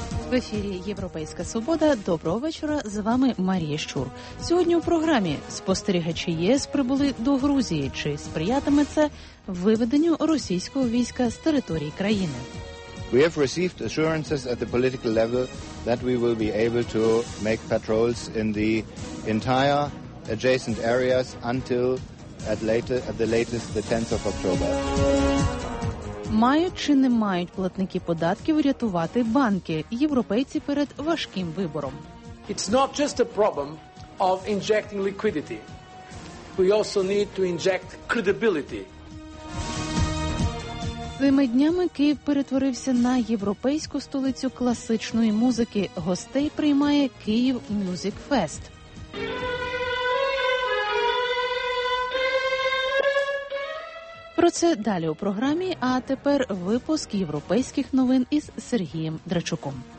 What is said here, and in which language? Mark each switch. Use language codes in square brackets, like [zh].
[uk] В ефірі «Європейська свобода». Доброго вечора. З вами Марія Щур. Сьогодні у програмі спостерігачі ЄС прибули до Грузії. Чи сприятиме це виведенню російського війська з території країни? [en] We have received assurances at the political level that we will be able to make patrols in the entire adjacent areas until at the latest the 10th of October. [uk] Мають чи не мають платники податків врятувати банки? Європейці перед важким вибором. [en] It's not just a problem of injecting liquidity. We also need to inject credibility. [uk] Цими днями Київ перетворився на європейську столицю класичної музики. Гостей приймає Київ Мюзик Фест. Про це далі у програмі, а тепер випуск європейських новин із Сергієм Драчуком.